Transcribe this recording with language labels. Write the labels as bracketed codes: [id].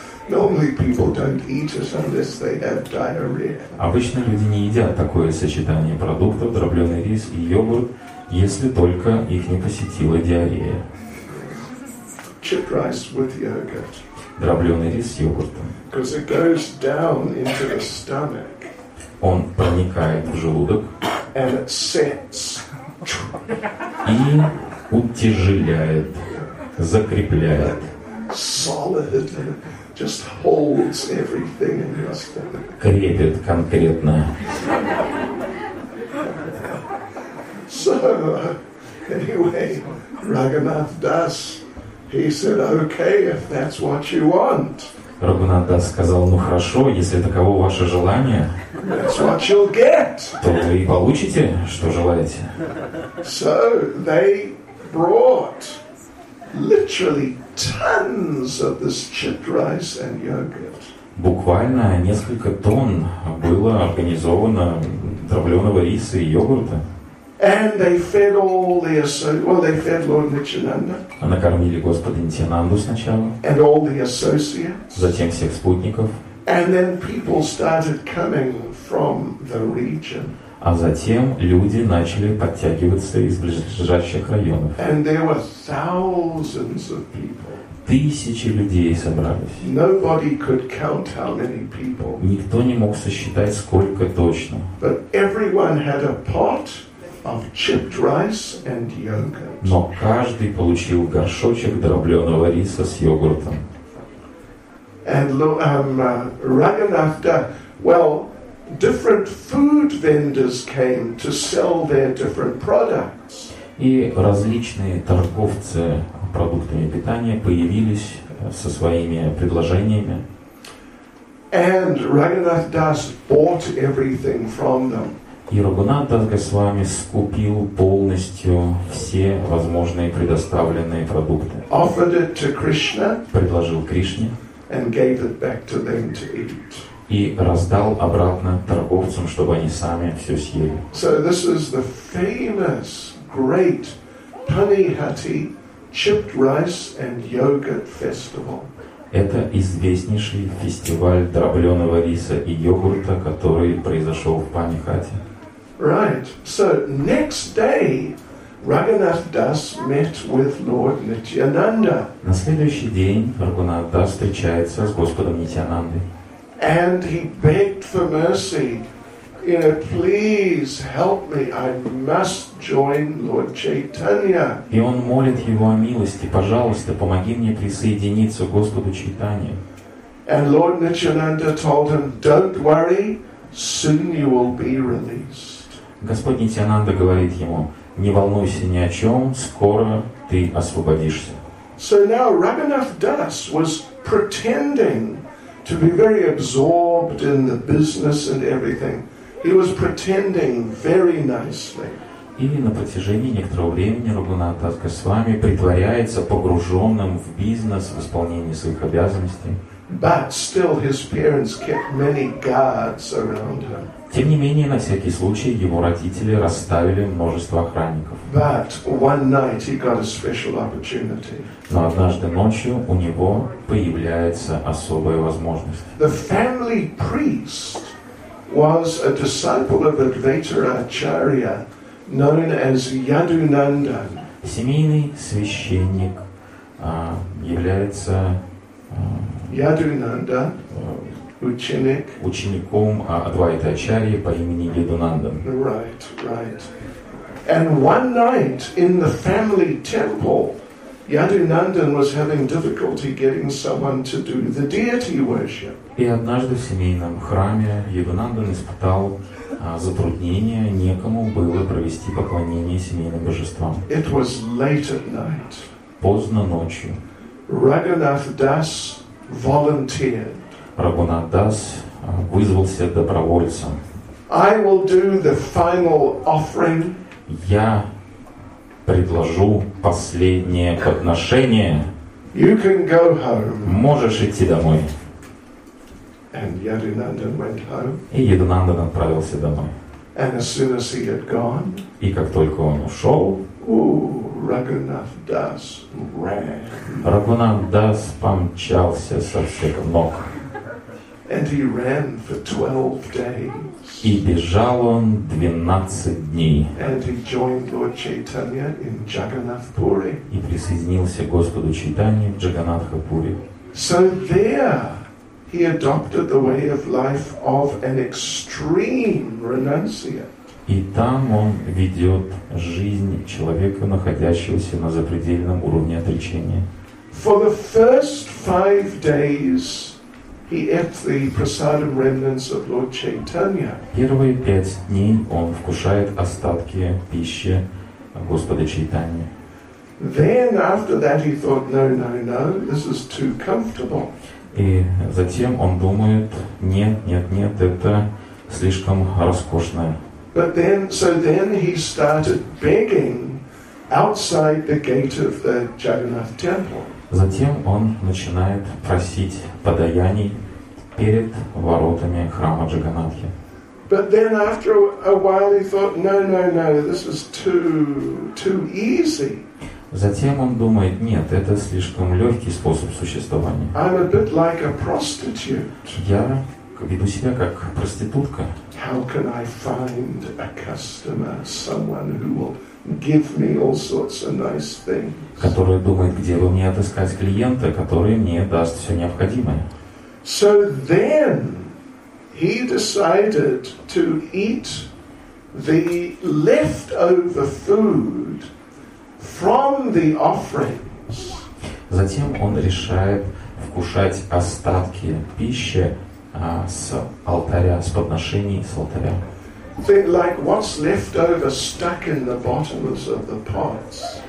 [en] Normally people don't eat it unless they have diarrhea. [ru] Обычно люди не едят такое сочетание продуктов, дробленый рис и йогурт, если только их не посетила диарея. [en] Chip rice with yogurt. [ru] Дробленый рис с йогуртом. [en] Because it goes down into the stomach. [ru] Он проникает в желудок. [en] And it sets. [ru] И утяжеляет, закрепляет. [en] Solid. Just holds everything in your stomach. [ru] Крепит конкретно. [en] So, anyway, Raghunath Das, he said, okay, if that's what you want. [ru] Рагунат Дас сказал, ну хорошо, если таково ваше желание, [en] that's what you'll get. [ru] То вы и получите, что желаете. [en] So, they brought literally tons of this chipped rice and yogurt. [ru] Буквально несколько тонн было организовано дробленого риса и йогурта. [en] And they fed all the associates. Well, they fed Lord Nityananda. [ru] Накормили Господа Нитьянанду сначала. [en] And all the associates. [ru] Затем всех спутников. [en] And then people started coming from the region. [ru] А затем люди начали подтягиваться из ближайших районов. [en] And there were thousands of people. [ru] Тысячи людей собрались. [en] Nobody could count how many people. [ru] Никто не мог сосчитать, сколько точно. [en] But everyone had a pot of chipped rice and yogurt. [ru] Но каждый получил горшочек дробленого риса с йогуртом. [en] And Raghunath Das, well, different food vendors came to sell their different products. [ru] И различные торговцы продуктами питания появились со своими предложениями. [en] And Raghunath Das bought everything from them. [ru] И Рагунат Дас Госвами скупил полностью все возможные предоставленные продукты. [en] Offered it to Krishna. [ru] Предложил Кришне. [en] And gave it back to them to eat. [ru] И раздал обратно торговцам, чтобы они сами все съели. [en] So this is the famous, great Panihati chipped rice and yogurt festival. [ru] Это известнейший фестиваль дробленого риса и йогурта, который произошел в Панихате. [en] Right. So next day, Raghunath Das met with Lord Nityananda. [ru] На следующий день Рагунат Дас встречается с Господом Нитьянандой. [en] And he begged for mercy. You know, please help me. I must join Lord Chaitanya. [ru] И он молит его о милости. Пожалуйста, помоги мне присоединиться к Господу Чайтанье. [en] And Lord Nityananda told him, "Don't worry. Soon you will be released." [ru] Господь Нитьянанда говорит ему, не волнуйся ни о чем, скоро ты освободишься. [en] So now Raghunath Das was pretending to be very absorbed in the business and everything. He was pretending very nicely. [ru] И на протяжении некоторого времени Рагунат Дас Госвами притворяется погруженным в бизнес, в исполнение своих обязанностей. [en] But still his parents kept many guards around him. [ru] Тем не менее, на всякий случай, его родители расставили множество охранников. [en] But one night he got a special opportunity. [ru] Но однажды ночью у него появляется особая возможность. [en] The family priest was a disciple of Advaita Acharya, known as Yadunandan. [ru] Семейный священник является [en] Yadunandan. [ru] Учеником Адвайты Ачарьи по имени Йадунандан. [en] Right, right. And one night in the family temple, Yadunandan was having difficulty getting someone to do the deity worship. [ru] И однажды в семейном храме Йадунандан испытал затруднение, некому было провести поклонение семейным божествам. [en] It was late at night. [ru] Поздно ночью. [en] Raghunath Das volunteered. [ru] Рагунат Дас вызвался добровольцем. [en] I will do the final offering. [ru] Я предложу последнее подношение. [en] You can go home. [ru] Можешь идти домой. [en] And Yadunanda went home. [ru] И Ядунанда отправился домой. [en] And as soon as he had gone, [ru] и как только он ушел, [en] Raghunath Das ran. [ru] Raghunath Das помчался со всех ног. [en] And he ran for 12 days. [ru] И бежал он 12 дней. [en] And he joined Lord Chaitanya in Jagannath Puri. [ru] И присоединился к Господу Чайтанье в Джаганатхапуре. [en] So there he adopted the way of life of an extreme renunciate. [ru] И там он ведет жизнь человека, находящегося на запредельном уровне отречения. [en] For the first 5 days he ate the prasadam remnants of Lord Chaitanya. [ru] Первые 5 дней он вкушает остатки пищи Господа Чайтаньи. [en] Then after that he thought, no, no, no, this is too comfortable. [ru] И затем он думает, нет, нет, нет, это слишком роскошно. [en] But then, so then he started begging outside the gate of the Jagannath temple. [ru] Затем он начинает просить подаяний перед воротами храма Джаганнатхи. [en] But then after a while he thought, no, no, no, this is too easy. [ru] Затем он думает, нет, это слишком легкий способ существования. [en] I'm a bit like a prostitute. [ru] Я веду себя как проститутка. [en] How can I find a customer, someone who will give me all sorts of nice things? [ru] Который думает, где бы мне отыскать клиента, который мне даст все необходимое. [en] So then he decided to eat the leftover food from the offerings. [ru] Затем он решает вкушать остатки пищи с алтаря, с подношений с алтаря. [en] Think like what's left over stuck in the bottoms of the pots.